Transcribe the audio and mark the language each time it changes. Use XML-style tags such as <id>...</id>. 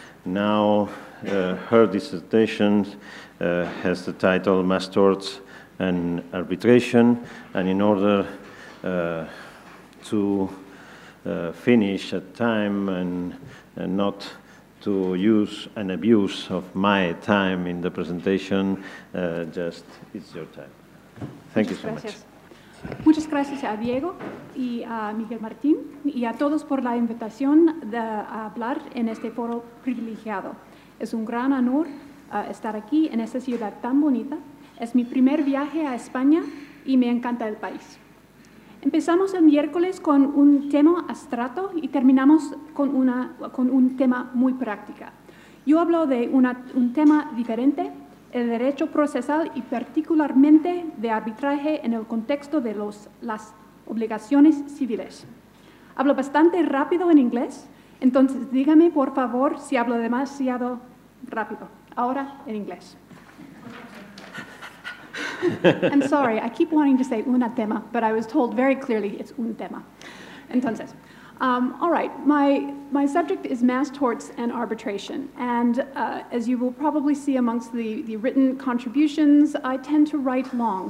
<en>Now, her dissertation has the title Mass Torts and Arbitration, and in order to finish at time and not to use an abuse of my time in the presentation, just it's your time. Thank you so much.</en> <es>Muchas gracias a Diego y a Miguel Martín y a todos por la invitación de hablar en este foro privilegiado. Es un gran honor estar aquí en esta ciudad tan bonita. Es mi primer viaje a España y me encanta el país. Empezamos el miércoles con un tema abstracto y terminamos con un tema muy práctico. Yo hablo de un tema diferente, el derecho procesal y particularmente de arbitraje en el contexto de las obligaciones civiles. Hablo bastante rápido en inglés, entonces dígame por favor si hablo demasiado rápido. Ahora en inglés.</es> <en>I'm sorry, I keep wanting to say</en> <es>una tema,</es> <en>but I was told very clearly it's</en> <es>un tema. Entonces,</es> <en>all right, my subject is mass torts and arbitration. And as you will probably see amongst the written contributions, I tend to write long.</en>